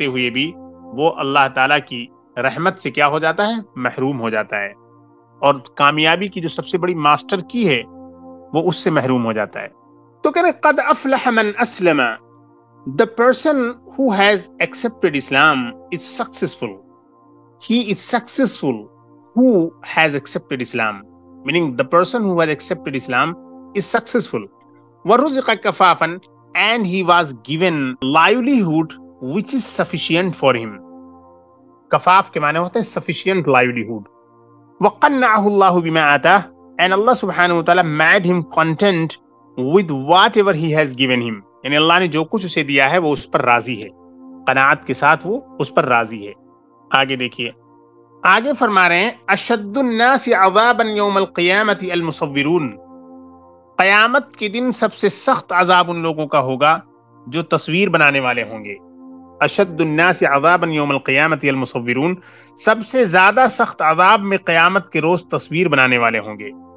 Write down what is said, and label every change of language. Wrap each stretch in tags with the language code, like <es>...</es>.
<ur>بھی وہ اللہ تعالیٰ کی رحمت سے کیا ہو جاتا ہے، محروم ہو جاتا ہے، اور کامیابی کی جو سب سے بڑی ماسٹر کی ہے وہ اس سے محروم ہو جاتا ہے۔ تو کہہ رہے</ur> <ar>قد افلح من اسلم،</ar> <en>the person who has accepted Islam is successful. He is successful who has accepted Islam, meaning the person who has accepted Islam is successful.</en> <ar>وَرُزِقَ كَفَافًا</ar> <en>and he was given livelihood which is sufficient for him. کفاف کے معنی ہوتے ہیں sufficient livelihood.</en> <ar>وَقَنَّعَهُ اللَّهُ بِمَا آتَا</ar> <en>and Allah subhanahu wa ta'ala made him content with whatever he has given him.</en> <ur>یعنی اللہ نے جو کچھ اسے دیا ہے وہ اس پر راضی ہے، قناعت کے ساتھ وہ اس پر راضی ہے۔ آگے دیکھیے، آگے فرما رہے ہیں</ur> <ar>اشد الناس عذابا یوم القیامۃ المصورون،</ar> <ur>قیامت کے دن سب سے سخت عذاب ان لوگوں کا ہوگا جو تصویر بنانے والے ہوں گے۔ اشد الناس عذابا یوم القیامۃ المصورون، سب سے زیادہ سخت عذاب میں قیامت کے روز تصویر بنانے والے ہوں گے۔</ur>